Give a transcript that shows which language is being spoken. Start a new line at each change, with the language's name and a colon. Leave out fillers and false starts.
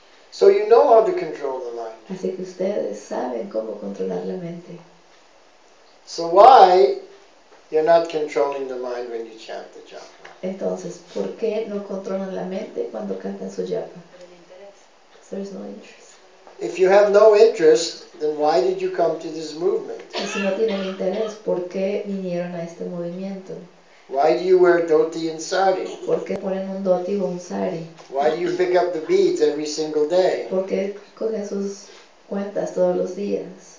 English: So you know how to control the mind.
Spanish: Así que ustedes saben cómo controlar la mente.
English: So why you're not controlling the mind when you chant the japa?
Spanish: Entonces, ¿por qué no controlan la mente cuando cantan su japa?
English: There's no interest. If you have no interest, then why did you come to this movement?
Spanish: Y si no tienen interés, ¿por qué vinieron a este movimiento?
English: Why do you wear dhoti and sari?
Spanish: ¿Por qué ponen un dhoti o un sari?
English: Why do you pick up the beads every single day?
Spanish: ¿Por qué cogen sus cuentas todos los días?